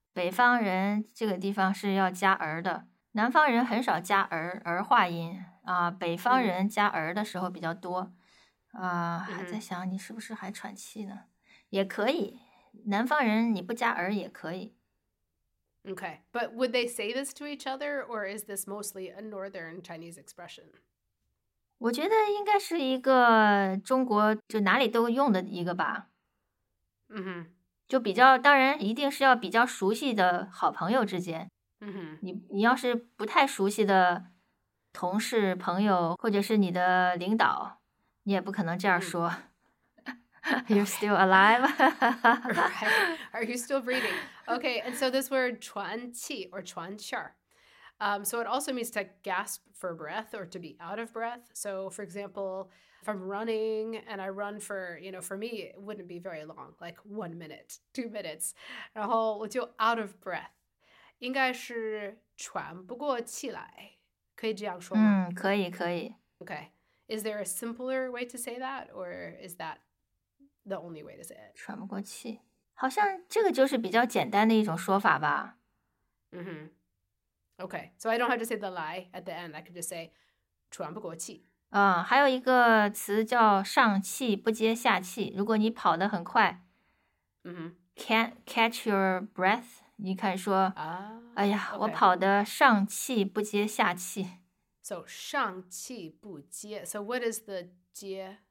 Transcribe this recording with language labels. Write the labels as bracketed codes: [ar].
[zh] 北方人这个地方是要加儿的，南方人很少加儿化音啊，北方人加儿的时候比较多啊。还在想你是不是还喘气呢？也可以，南方人你不加儿也可以。 [en] Okay, but would they say this to each other, or is this mostly a northern Chinese expression? [zh] 我觉得应该是一个中国就哪里都用的一个吧。嗯哼，就比较，当然一定是要比较熟悉的好朋友之间。嗯哼，你要是不太熟悉的同事、朋友，或者是你的领导，你也不可能这样说。 [en] You're still alive. Right. Are you still breathing? Okay, and so this word 喘气 or 喘气儿, so it also means to gasp for breath or to be out of breath. So for example, if I'm running and I run for, you know, for me, it wouldn't be very long, like 1 minute, 2 minutes. [zh] 然后我就 [en] out of breath. [zh] 应该是喘不过气来。可以这样说吗？可以，可以。 [en] Okay. Is there a simpler way to say that, or is that the only way to say it? [zh] 喘不过气。好像这个就是比较简单的一种说法吧。 [en] Mm-hmm. Okay, so I don't have to say the lie at the end. I could just say [zh] 喘不过气。还有一个词叫上气不接下气。如果你跑得很快、 [en] mm-hmm. can't catch your breath, [zh] 你看说、 ah, 哎呀、 [en] okay. [zh] 我跑得上气不接下气。 [en] So [zh] 上气不接。 [en] So what is the 接?